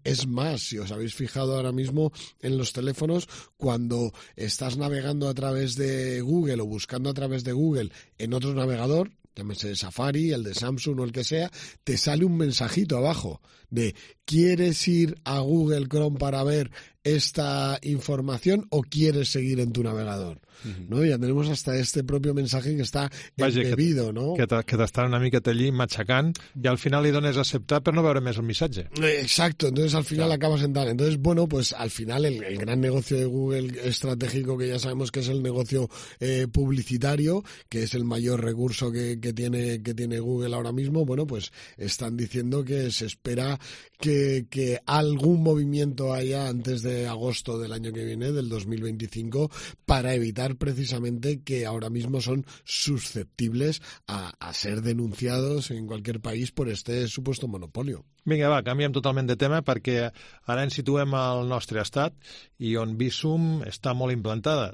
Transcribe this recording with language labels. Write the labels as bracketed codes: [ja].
[es] Es más, si os habéis fijado ahora mismo en los teléfonos, cuando estás navegando a través de Google o buscando a través de Google en otro navegador, llámese de Safari, el de Samsung o el que sea, te sale un mensajito abajo de ¿quieres ir a Google Chrome para ver esta información o quieres seguir en tu navegador? Uh-huh. ¿No? Ya tenemos hasta este propio mensaje que está embebido, ¿no? [ca] Que te estan una miqueta allí machacant [es] y al final [ca] li dones a aceptar per no veure més el missatge. [es] Exacto, entonces al final acabas en tal. Entonces, bueno, pues al final el gran negocio de Google estratégico, que ya sabemos que es el negocio publicitario, que es el mayor recurso que tiene Google ahora mismo, bueno, pues están diciendo que se espera que algún movimiento haya antes de agosto del año que viene, del 2025, para evitar precisamente que ahora mismo son susceptibles a ser denunciados en cualquier país por este supuesto monopolio. [ca] Vinga, va, canviem totalment de tema perquè ara ens situem al nostre estat i on Bizum està molt implantada.